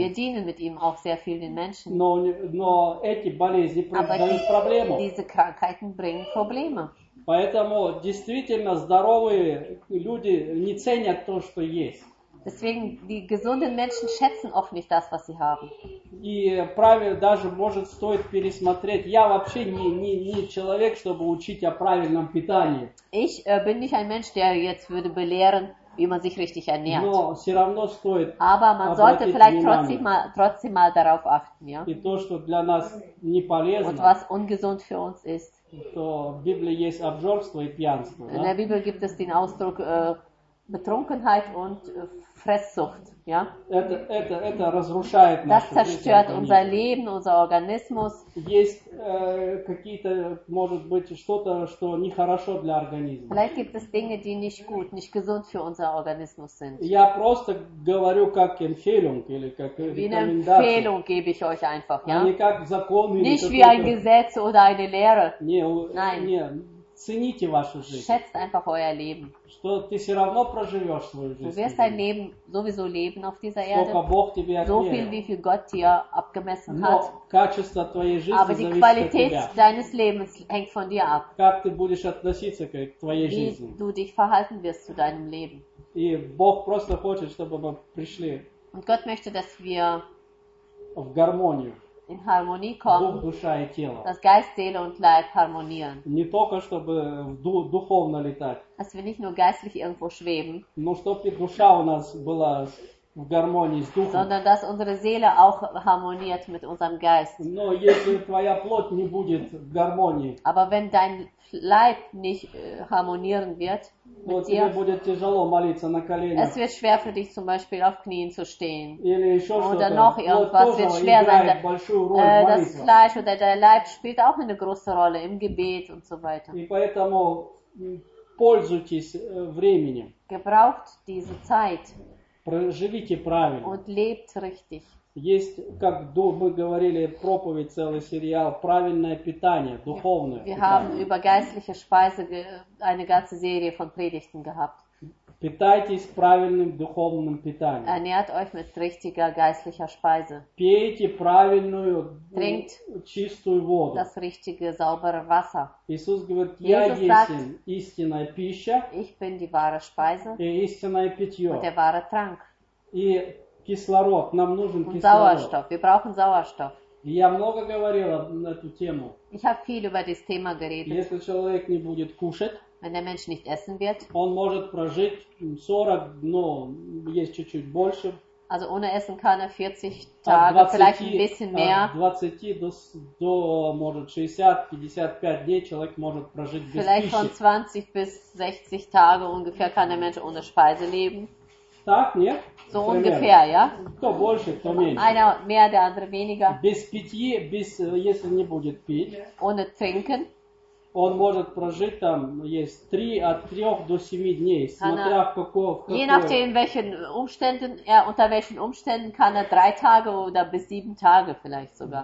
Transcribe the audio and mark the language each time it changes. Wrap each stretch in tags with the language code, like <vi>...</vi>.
<de>Wir dienen mit ihm auch sehr viel den Menschen.</de> <ru>Но эти болезни дают проблему.</ru> <de>Diese Krankheiten bringen Probleme.</de> <ru>Поэтому действительно здоровые люди не ценят то, что есть.</ru> <de>Deswegen, die gesunden Menschen schätzen oft nicht das, was sie haben.</de> <ru>И правильно даже может стоит пересмотреть. Я вообще не человек, чтобы учить о правильном питании.</ru> <de>Ich bin nicht ein Mensch, der jetzt würde belehren, wie man sich richtig ernährt.</de> <ru>Но все равно стоит.</ru> <de>Aber man sollte vielleicht trotzdem mal darauf achten, ja.</de> <ru>И то, что для нас не полезно.</ru> <de>Und was ungesund für uns ist.</de> <ru>То в Библии есть обжорство и пьянство.</ru> <de>In der Bibel gibt es den Ausdruck Betrunkenheit und Fresssucht, ja?</de> <ru>Это разрушает наш организм.</ru> <de>Das zerstört unser Leben, unser Organismus.</de> <ru>Есть какие-то, может быть, что-то, что нехорошо для организма.</ru> <de>Vielleicht gibt es Dinge, die nicht gut, nicht gesund für unser Organismus sind.</de> <ru>Я просто говорю как Empfehlung или как Рекомендация.</ru> <de>Wie eine Empfehlung gebe ich euch einfach, ja?</de> <ru>А не как закон или</ru> <de>nicht wie ein Gesetz oder eine Lehre. Nein.</de> <ru>Цените вашу жизнь.</ru> <de>Schätzt einfach euer Leben.</de> <ru>Что ты все равно проживешь свою жизнь.</ru> <de>Du wirst dein Leben sowieso leben auf dieser Erde.</de> <ru>Сколько Бог тебе отмерил.</ru> <de>So viel, wie viel Gott dir abgemessen hat.</de> <ru>Но качество твоей жизни зависит от тебя.</ru> <de>Aber die Qualität deines Lebens hängt von dir ab.</de> <ru>Как ты будешь относиться к твоей жизни.</ru> <de>Wie du dich verhalten wirst zu deinem Leben.</de> <ru>И Бог просто хочет, чтобы мы пришли.</ru> <de>Und Gott möchte, dass wir</de> <ru>в гармонию.</ru> <de>In Harmonie kommen,</de> <ru>Дух, душа и тело.</ru> <de>Dass Geist, Seele und Leib harmonieren.</de> <ru>Не только, чтобы духовно летать.</ru> <de>Dass wir nicht nur geistlich irgendwo schweben.</de> <ru>Но чтобы душа у нас была в гармонии с Духом.</ru> <de>Sondern dass unsere Seele auch harmoniert mit unserem Geist.</de> <ru>Но если твоя плоть не будет в гармонии.</ru> <de>Aber wenn dein Leib nicht harmonieren wird,</de> <ru>вот тебе будет тяжело молиться на коленях.</ru> <de>Es wird schwer für dich zum Beispiel auf Knien zu stehen.</de> <ru>Или еще что-то.</ru> <de>Oder noch irgendwas wird schwer sein. Das Fleisch oder der Leib spielt auch eine große Rolle im Gebet und so weiter.</de> <ru>И поэтому пользуйтесь временем.</ru> <de>Gebraucht diese Zeit.</de> <ru>Живите правильно.</ru> <de>Und lebt richtig.</de> <ru>Есть, как мы говорили, проповедь, целый сериал, правильное питание, духовное.</ru> <de>Wir haben über geistliche Speise eine ganze Serie von Predigten gehabt.</de> <ru>Питайтесь правильным духовным питанием.</ru> <de>Ernährt euch mit richtiger geistlicher Speise.</de> <ru>Пейте правильную,</ru> <de>trinkt</de> <ru>чистую воду.</ru> <de>Das richtige, saubere Wasser.</de> <ru>Иисус говорит, я есть истинная пища.</ru> <de>Ich bin die wahre Speise.</de> <ru>И истинное питье.</ru> <de>Und der wahre Trank.</de> <ru>И кислород, нам нужен</ru> <de>und</de> <ru>кислород.</ru> <de>Sauerstoff. Wir brauchen Sauerstoff.</de> <ru>Я много говорил на эту тему.</ru> <de>Ich habe viel über dieses Thema geredet.</de> <ru>Если человек не будет кушать,</ru> <de>wenn der Mensch nicht essen wird,</de> <ru>он может прожить 40, но есть чуть-чуть больше.</ru> <de>Also ohne Essen kann er 40 Tage, 20, vielleicht ein bisschen mehr.</de> <ru>20 до может 60-55 дней человек может прожить без</ru> <de>vielleicht Vielleicht von 20 bis 60 Tage ungefähr kann der Mensch ohne Speise leben.</de> <ru>Так, нет? So примерно.</ru> <de>Ungefähr, ja?</de> <ru>Кто больше, кто меньше.</ru> <de>Einer mehr, der andere weniger.</de> <ru>Без питья, без, если не будет пить.</ru> <de>Ohne trinken.</de> <ru>Он может прожить там, есть 3, от 3 до 7 дней, смотря в каком...</ru> <de>Je nachdem, welchen Umständen, er, unter welchen Umständen kann er 3 Tage oder bis 7 Tage vielleicht sogar.</de>